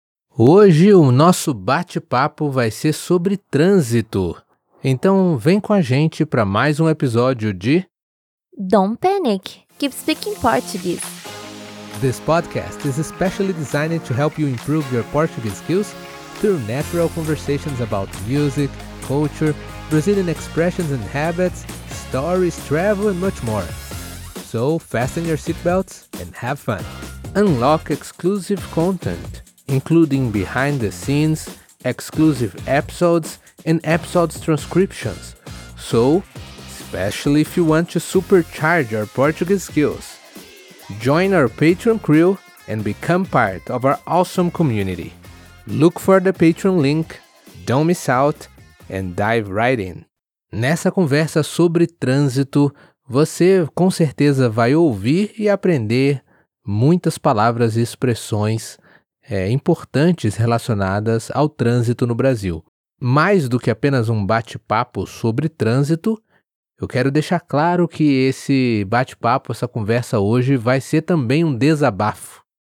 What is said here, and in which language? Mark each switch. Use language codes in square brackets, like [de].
[pt] Hoje o nosso bate-papo vai ser sobre trânsito. Então vem com a gente para mais um episódio de... [en] Don't panic. Keep speaking Portuguese. This podcast is specially designed to help you improve your Portuguese skills through natural conversations about music, culture, Brazilian expressions and habits, stories, travel and much more. So fasten your seatbelts and have fun. Unlock exclusive content, including behind the scenes, exclusive episodes, and episode transcriptions. So, especially if you want to supercharge your Portuguese skills, join our Patreon crew and become part of our awesome community. Look for the Patreon link, don't miss out, and dive right in. [pt] Nessa conversa sobre trânsito, você com certeza vai ouvir e aprender muitas palavras e expressões importantes relacionadas ao trânsito no Brasil. Mais do que apenas um bate-papo sobre trânsito, eu quero deixar claro que esse bate-papo, essa conversa hoje, vai ser também um desabafo.